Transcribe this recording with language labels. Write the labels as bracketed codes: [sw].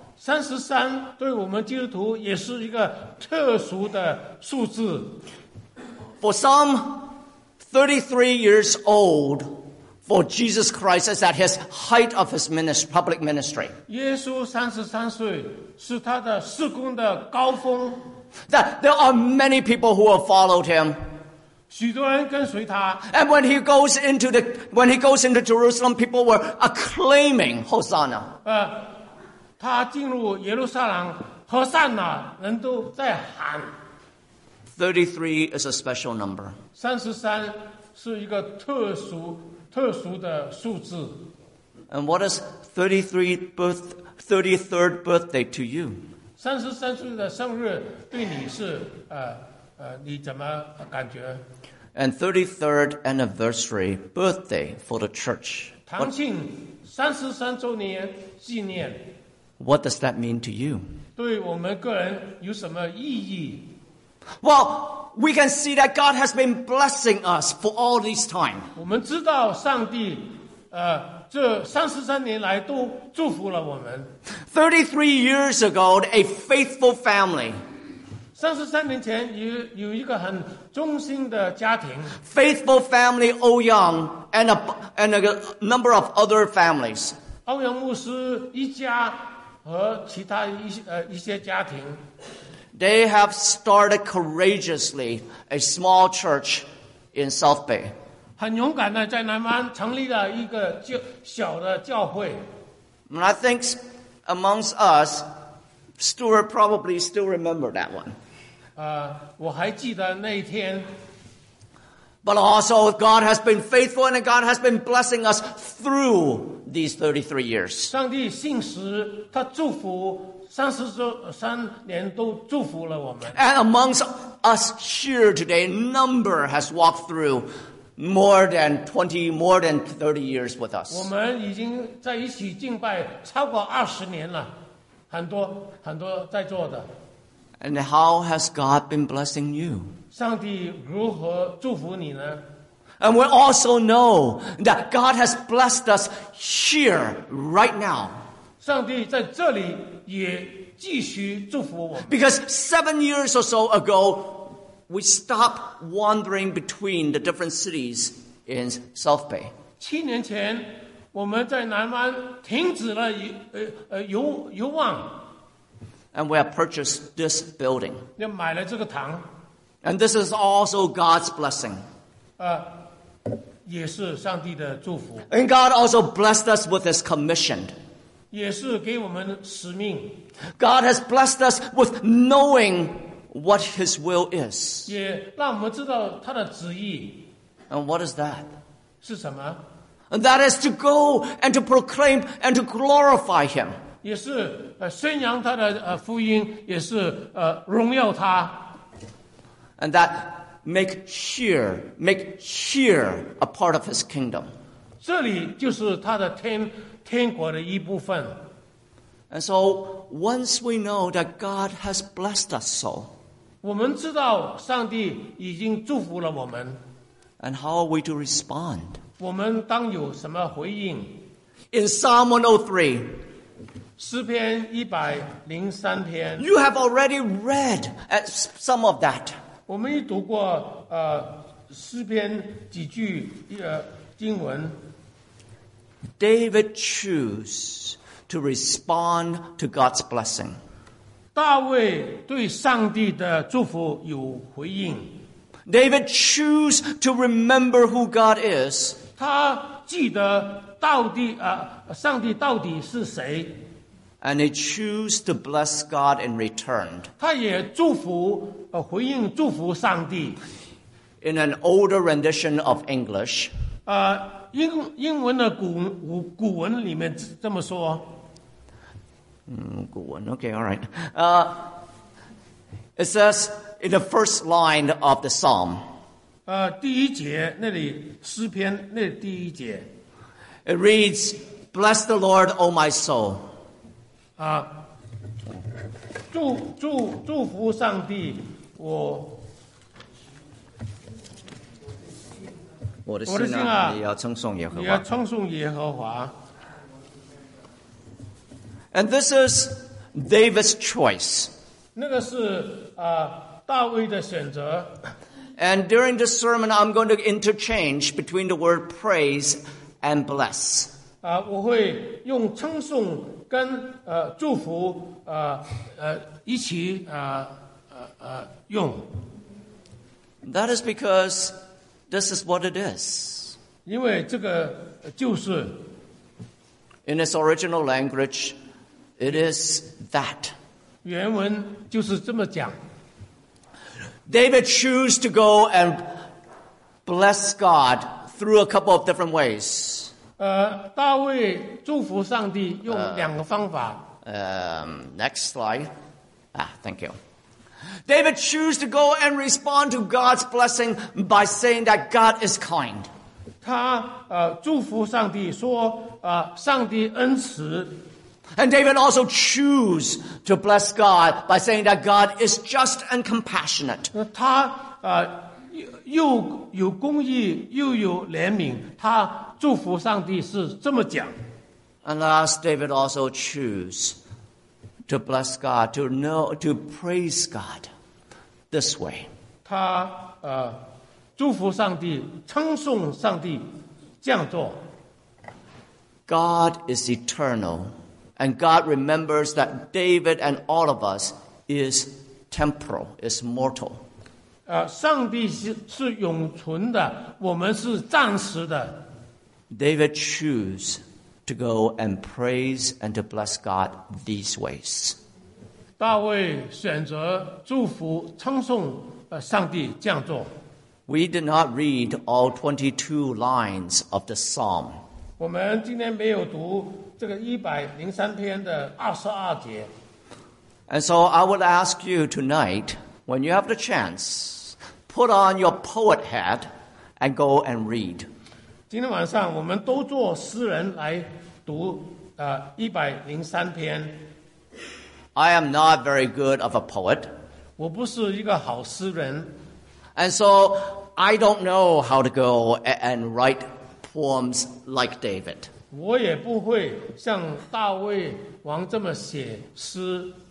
[zh] 33对我们基督徒也是一个特殊的数字。 [en] For some, 33 years old for Jesus Christ is at his height of his ministry, public ministry. [zh] 耶稣33岁是他的事工的高峰。 [en] That there are many people who have followed him. [zh] 许多人跟随他。 [en] And when he goes into the, when he goes into Jerusalem, people were acclaiming Hosanna. [zh] 他进入耶路撒冷，何善哪，人都在喊。 [en] 33 is a special number. [zh] 33是一个特殊的数字。 [en] And what is 33rd birthday to you? [zh] 33岁的生日对你是你怎么感觉？ [en] And 33rd anniversary birthday for the church. [zh] 堂庆33周年纪念。 [en] What does that mean to you? [zh] 对我们个人有什么意义？ [en] Well, we can see that God has been blessing us for all this time. [zh] 我们知道上帝这33年来都祝福了我们。 [en] 33 years ago, a faithful family. [zh] 33年前有一个很忠心的家庭。 [en] Faithful family Ou Yang and a number of other families. [zh] 欧阳牧师一家和其他一些家庭。 [en] They have started courageously a small church in South Bay. [zh] 很勇敢的在南湾成立了一个小的教会。 [en] And I think amongst us, Stuart probably still remember that one. [zh] 我还记得那一天。 [en] But also, God has been faithful and God has been blessing us through these 33 years. [zh] 上帝信实，他祝福33年都祝福了我们。 [en] And amongst us here today, number has walked through more than 30 years with us. [zh] 我们已经在一起敬拜超过20年了，很多很多在座的。 [en] And how has God been blessing you? [zh] 上帝如何祝福你呢？ [en] And we also know that God has blessed us here right now. [zh] 上帝在这里也继续祝福我们。 [en] Because 7 years or so ago, we stopped wandering between the different cities in South Bay. [zh] 7年前，我们在南湾停止了游望。 [en] And we have purchased this building. [zh] 要买了这个堂。 [en] And this is also God's blessing. [zh] 也是上帝的祝福。 [en] And God also blessed us with his commission. [zh] 也是给我们使命。 [en] God has blessed us with knowing what his will is. [zh] 也让我们知道他的旨意。 [en] And what is that? [zh] 是什么？ [en] And that is to go and to proclaim and to glorify him. [zh] 也是宣扬他的福音，也是荣耀他。 [en] And that make here a part of his kingdom. [zh] 这里就是他的天国的一部分。 [en] And so once we know that God has blessed us so, [zh] 我们知道上帝已经祝福了我们。 [en] And how are we to respond? [zh] 我们当有什么回应？ [en] In Psalm 103, [zh] 诗篇103篇。 [en] You have already read some of that. [zh] 我们已读过诗篇几句经文。 [en] David chose to respond to God's blessing. [zh] 大卫对上帝的祝福有回应。 [en] David chose to remember who God is. [zh] 他记得到底上帝到底是谁。 [en] And he chose to bless God in return. [zh] 他也祝福回应祝福上帝。 [en] In an older rendition of English, [zh] 英文的古文里面这么说。古文 [en] ，Okay, all right. It says in the first line of the psalm. [zh] 第一节那里诗篇那里第一节。 [en] It reads, "Bless the Lord, O my soul." [zh] 祝福上帝，我的心啊，你要称颂耶和华，你要称颂耶和华。 [en] And this is David's choice. [zh] 那个是大卫的选择。 [en] And during this sermon, I'm going to interchange between the word praise and bless. [zh] 我会用称颂跟祝福一起用。 [en] That is because this is what it is. [zh] 因为这个就是。 [en] In its original language, it is that. [zh] 原文就是这么讲。 [en] David chose to go and bless God through a couple of different ways. [zh] 大卫祝福上帝用两个方法。 [en] Next slide. Thank you. David chose to go and respond to God's blessing by saying that God is kind. [zh] 他祝福上帝说上帝恩慈。 [en] And David also chose to bless God by saying that God is just and compassionate. [zh] 他又有公义又有怜悯，他祝福上帝是这么讲。 [en] And last, David also chose to bless God, to praise God this way. [zh] 他祝福上帝，称颂上帝，这样做。 [en] God is eternal. And God remembers that David and all of us is temporal, is mortal. [zh] 上帝是永存的，我们是暂时的。 [en] David chose to go and praise and to bless God these ways. [zh] 大卫选择祝福称颂上帝这样做。 [en] We did not read all 22 lines of the psalm. [zh] 我们今天没有读这个103篇的22节。 [en] And so I would ask you tonight, when you have the chance, put on your poet hat and go and read. [zh] 今天晚上我们都做诗人来读103篇。 [en] I am not very good of a poet. [zh] 我不是一个好诗人。 [en] And so I don't know how to go and write poems like David. [zh] 我也不会像大卫王这么写诗。